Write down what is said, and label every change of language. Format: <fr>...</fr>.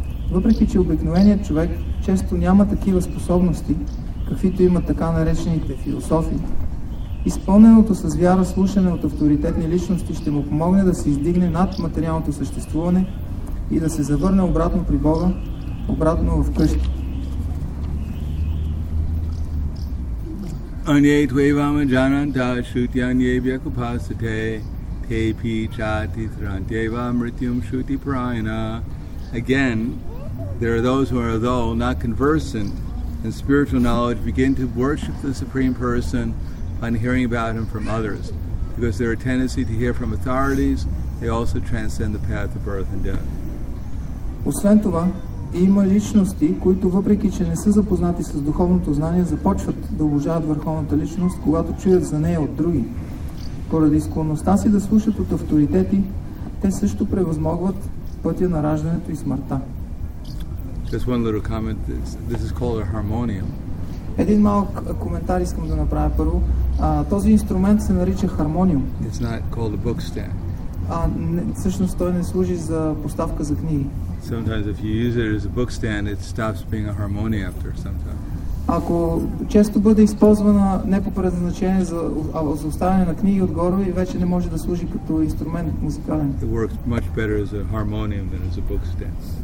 <bg>Въпреки че обикновеният човек често няма такива способности, каквито имат така наречените философи, изпълненото с вяра слушане от авторитетни личности ще му помогне да се издигне над материалното съществуване и да се завърне обратно при Бога, обратно в къщи.</bg> <sa>Аньей твейвама джананта шутяньей бякупасите тейпи чати трантьева мритюм шути прайна.</sa> <en>Again, there are those who are, though not conversant in spiritual knowledge, begin to worship the Supreme Person upon hearing about him from others. Because there are a tendency to hear from authorities, they also transcend the path of birth and death.</en> <bg>Освен това, има личности, които въпреки че не са запознати с духовното знание, започват да уважават върховната личност, когато чуят за нея от други. Поради склонността си да слушат от авторитети, те също превъзмогват пътя на раждането и смъртта.</bg> <en>Just one little comment. This is called a harmonium.</en> <bg>Един малък коментар искам да направя първо. Този инструмент се нарича хармониум.</bg> <en>It's not called a book stand.</en> <bg>Всъщност той не служи за поставка за книги.</bg> <en>Sometimes if you use it as a book stand, it stops being a harmonium after some time.</en> <bg>Ако често бъде използвана не по предназначение за оставяне на книги отгоре и вече не може да служи като инструмент музикален.</bg> <en>It works much better as a harmonium than as a book stand.</en>